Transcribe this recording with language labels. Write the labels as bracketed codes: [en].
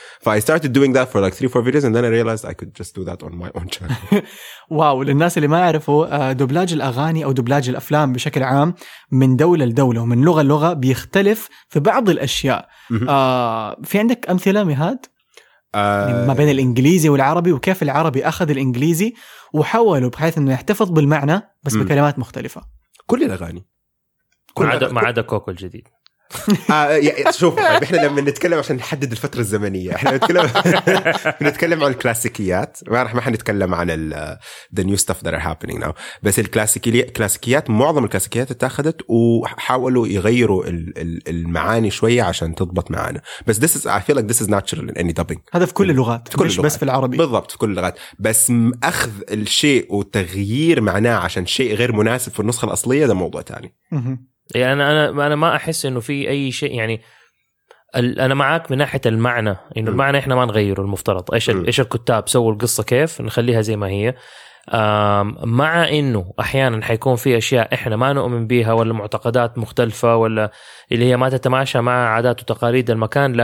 [en] ف I started doing that for like 3-4 videos and then I realized I could just do that on my own channel. [ar] واو. للناس اللي ما يعرفوا دوبلاج الاغاني او دوبلاج الافلام بشكل عام من دوله لدوله ومن لغه لغه بيختلف في بعض الاشياء. في عندك امثله مهاد؟ ما بين الإنجليزي والعربي، وكيف العربي أخذ الإنجليزي وحوله بحيث أنه يحتفظ بالمعنى بس بكلمات مختلفة. كل الأغاني ما عدا كوكو الجديد. شوف احنا لما نتكلم عشان نحدد الفترة الزمنية، احنا نتكلم عن الكلاسيكيات، ما حنتكلم عن [en] the new stuff that are happening now. [ar] بس الكلاسيكيات معظم الكلاسيكيات اتاخدت وحاولوا يغيروا المعاني شوية عشان تضبط معانا. بس [en] this is, I feel like this is natural in any dubbing. [ar] هذا في كل اللغات، في كل مش اللغات. بس في العربي بالضبط، في كل اللغات. بس اخذ الشيء وتغيير معناه عشان شيء غير مناسب في النسخة الأصلية، ده موضوع تاني. يعني أنا ما أحس إنه في أي شيء، يعني أنا معاك من ناحية المعنى، إنه المعنى إحنا ما نغيره، المفترض إيش الكتاب سووا القصة كيف نخليها زي ما هي، مع إنه أحيانا حيكون في أشياء إحنا ما نؤمن بها ولا معتقدات مختلفة ولا اللي هي ما تتماشى مع عادات وتقاليد المكان.